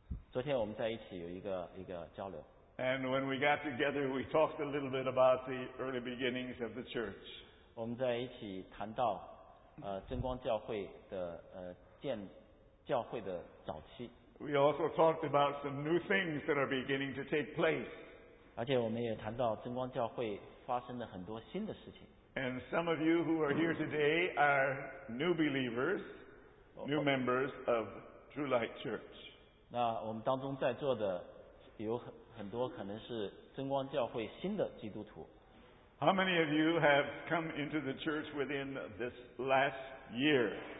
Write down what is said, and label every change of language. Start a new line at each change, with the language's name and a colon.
Chinese: 昨天我们在一起有一个交流。
English: And when we got together, we talked a little bit about the early beginnings of the church.
Chinese: 我们在一起谈到，真光教会的建教会的早期。
English: We also talked about some new things that are beginning to take place.
Chinese: 而且我们也谈到真光教会发生的很多新的事情。
English: And some of you who are here today are new believers, new members of True Light Church.
Chinese: 那我们当中在座的有很多可能是真光教会新的基督徒。
English: How many of you have come into the church within this last year?